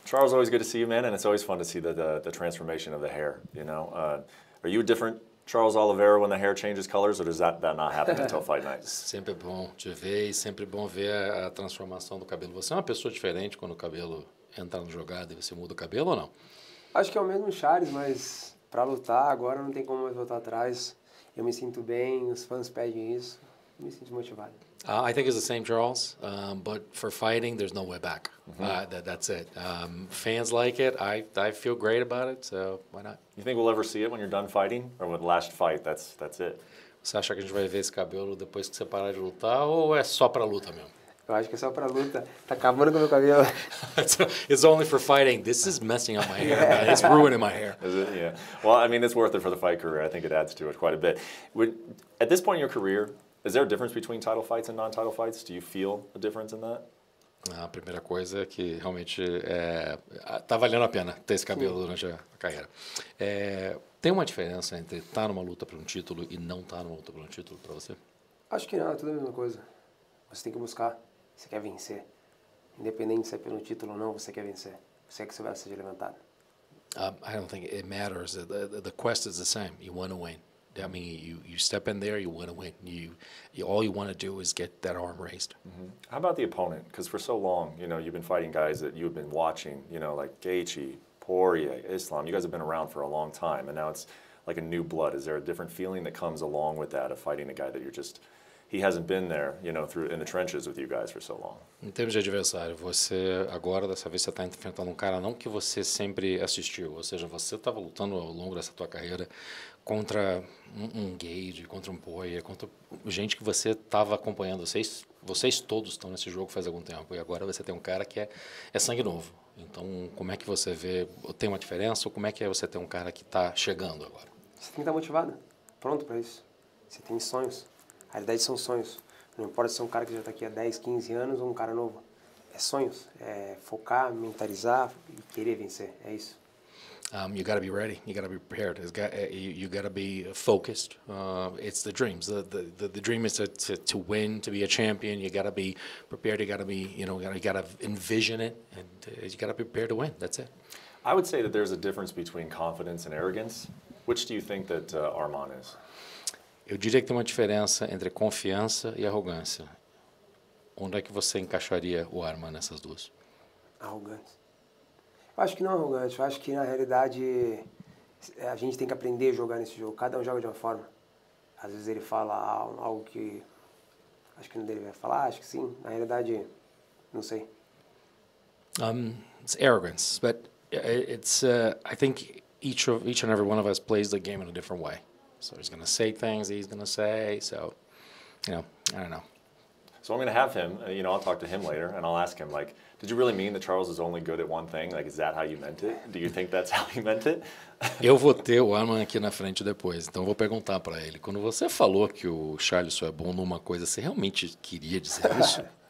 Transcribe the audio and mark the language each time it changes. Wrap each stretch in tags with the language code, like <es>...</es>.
<en>Charles, always good to see you, man, and it's always fun to see the transformation of the hair, you know. Are you a different Charles Oliveira when the hair changes colors, or does that not happen until fight night?</en> <pt>Sempre bom te ver e sempre bom ver a transformação do cabelo. Você é uma pessoa diferente quando o cabelo entra no jogado e você muda o cabelo ou não? Acho que é o mesmo Charles, mas para lutar agora não tem como mais voltar atrás. Eu me sinto bem, os fãs pedem isso, me sinto motivado.</pt> <en>I think it's the same, Charles, but for fighting, there's no way back. Mm-hmm. That's it. Fans like it. I feel great about it, so why not? You think we'll ever see it when you're done fighting, or with the last fight, that's it?</en> <pt>Você acha que a gente vai ver esse cabelo depois que você parar de lutar, ou é só para luta mesmo? Eu acho que é só para luta. Tá acabando com o meu cabelo.</pt> <en>It's only for fighting. This is messing up my hair. Yeah. It's ruining my hair. Is it? Yeah. Well, I mean, it's worth it for the fight career. I think it adds to it quite a bit. At this point in your career, is there a difference between title fights and non-title fights? Do you feel a difference in that?</en> <pt>A primeira coisa é que realmente tá valendo a pena ter esse cabelo durante a carreira. Tem uma diferença entre estar numa luta por um título e não estar numa luta por um título para você? Acho que não, é tudo a mesma coisa. Você tem que buscar, você quer vencer. Independente se é pelo título ou não, você quer vencer. Você quer que você vai ser levantado.</pt> <en>I don't think it matters. The quest is the same. You want to win. I mean, you step in there, you want to win. All you want to do is get that arm raised. Mm-hmm. How about the opponent? Because for so long, you know, you've been fighting guys that you've been watching, you know, like Gaethje, Poirier, Islam. You guys have been around for a long time, and now it's like a new blood. Is there a different feeling that comes along with that of fighting a guy that you're just, he hasn't been there, you know, through in the trenches with you guys for so long?</en> <pt>Em termos de adversário, você agora, dessa vez, você está enfrentando um cara não que você sempre assistiu. Ou seja, você estava lutando ao longo dessa tua carreira contra um Gage, contra um Poirier, contra gente que você estava acompanhando. Vocês todos estão nesse jogo faz algum tempo. E agora você tem um cara que é sangue novo. Então, como é que você vê? Tem uma diferença? Ou como é que é você ter um cara que está chegando agora? Você tem que estar motivado, pronto para isso. Você tem sonhos. A realidade são sonhos. Não importa se é um cara que já está aqui há 10, 15 anos ou um cara novo. É sonhos. É focar, mentalizar e querer vencer. É isso.</pt> <en>You got to be ready. You got to be prepared. You got to be focused. It's the dreams. The dream is to win, to be a champion. You got to be prepared. You got to be, you know, you got to envision it, and you got to be prepared to win. That's it. I would say that there's a difference between confidence and arrogance. Which do you think that Arman is?</en> <pt>Eu diria que tem uma diferença entre confiança e arrogância. Onde é que você encaixaria o Arman nessas duas? Arrogância. Eu acho que não é arrogante, eu acho que na realidade a gente tem que aprender a jogar nesse jogo, cada um joga de uma forma. Às vezes ele fala algo que acho que não deveria falar, acho que sim, na realidade, não sei.</pt> <en>It's arrogance, but it's, I think each and every one of us plays the game in a different way. So he's going to say things he's going to say, so, you know, I don't know. So I'm going to have him, you know, I'll talk to him later, and I'll ask him, like, did you really mean that Charles is only good at one thing? Like, is that how you meant it? Do you think that's how he meant it?</en> <pt>Eu vou ter o Arman aqui na frente depois, então vou perguntar para ele. Quando você falou que o Charles só é bom numa coisa, você realmente queria dizer isso?</pt>